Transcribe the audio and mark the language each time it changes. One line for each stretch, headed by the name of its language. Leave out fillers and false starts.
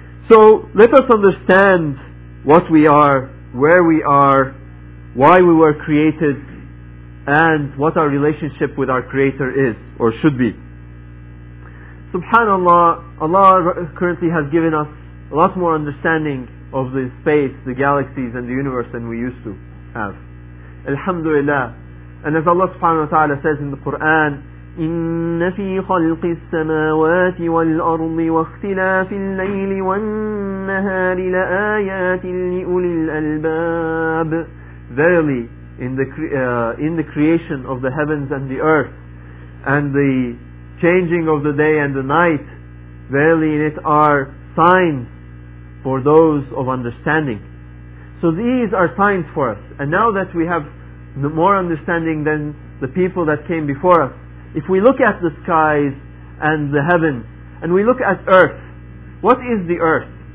English: So let us understand what we are, where we are, why we were created, and what our relationship with our Creator is or should be. Subhanallah, Allah currently has given us a lot more understanding of the space, the galaxies, and the universe than we used to have. Alhamdulillah. And as Allah subhanahu wa ta'ala says in the Quran,
Arabic: إِنَّ فِي خَلْقِ السَّمَاوَاتِ وَالْأَرْضِ وَاخْتِلَافِ اللَّيْلِ وَالنَّهَارِ لَآيَاتٍ لِأُولِي الْأَلْبَابِ.
English: Verily, in the creation of the heavens and the earth, and the changing of the day and the night, verily in it are signs for those of understanding. So these are signs for us. And now that we have more understanding than the people that came before us, if we look at the skies and the heavens, and we look at earth, what is the earth?